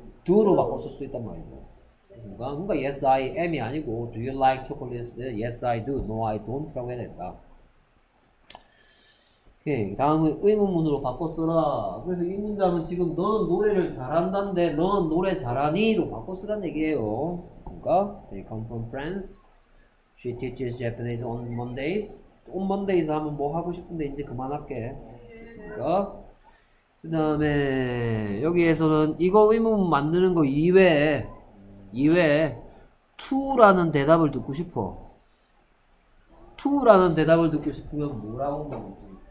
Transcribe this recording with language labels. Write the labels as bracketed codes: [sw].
[ko] do로 바꿔 쓸 수 있단 말이죠. 그러니까 [en] yes I am [ko] 이 아니고 [en] do you like chocolate? yes I do, no I don't [ko] 라고 해야 된다. 오케이. 다음은 의문문으로 바꿔쓰라. 그래서 이 문장은 지금 너는 노래를 잘한단데 너는 노래 잘하니? 로 바꿔쓰란 얘기예요. 그러니까 [en] they come from France, she teaches Japanese on Mondays. on Mondays [ko] 하면 뭐 하고 싶은데 이제 그만할게. 그러니까 그 다음에 여기에서는 이거 의문문 만드는 거 이외에 to라는 대답을 듣고 싶어. to라는 대답을 듣고 싶으면 뭐라고 하면 되지?